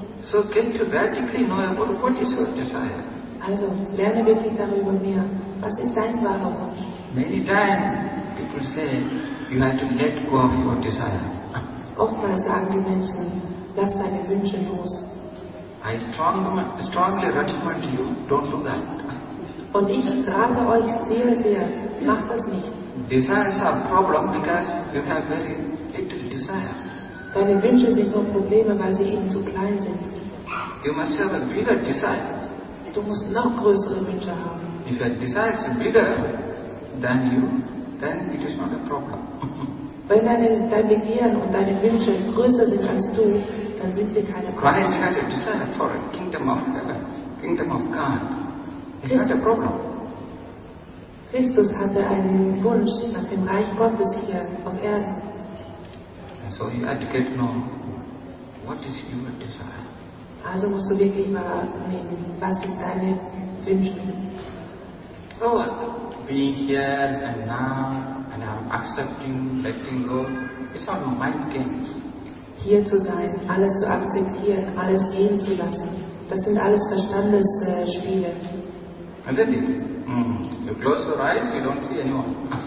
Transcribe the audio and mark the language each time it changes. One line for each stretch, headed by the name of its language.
English: So get to radically know about what is your desire.
German: Also lerne wirklich darüber mehr. Was ist dein wahrer Wunsch?
English: Many times people say you have to let go of your desire.
German: Oftmals sagen die Menschen, lass deine Wünsche los.
English: I strongly recommend you, don't do that.
German: Und ich rate euch sehr, sehr, macht das nicht.
English: Desires are a problem because you have very little desire.
German: Deine Wünsche sind nur Probleme, weil sie eben zu klein sind.
English: You must have a bigger desire.
German: Du musst noch größere Wünsche haben.
English: If your desire is bigger than you, then it is not a problem.
German: Wenn dein Begehren und deine Wünsche größer sind als du, dann sind sie keine Probleme.
English: Christ had a desire for a kingdom of heaven, kingdom of God. Is that a problem?
German: Christus hatte einen Wunsch nach dem Reich Gottes hier auf Erden.
English: And so you had to get to know what is your desire.
German: Also musst du wirklich wahrnehmen, was sind deine Wünsche?
English: So, being here and now, and I'm accepting, letting go, it's all mind games.
German: Hier zu sein, alles zu akzeptieren, alles gehen zu lassen, das sind alles Verstandesspiele.
English: And then you close your eyes, you don't see anyone.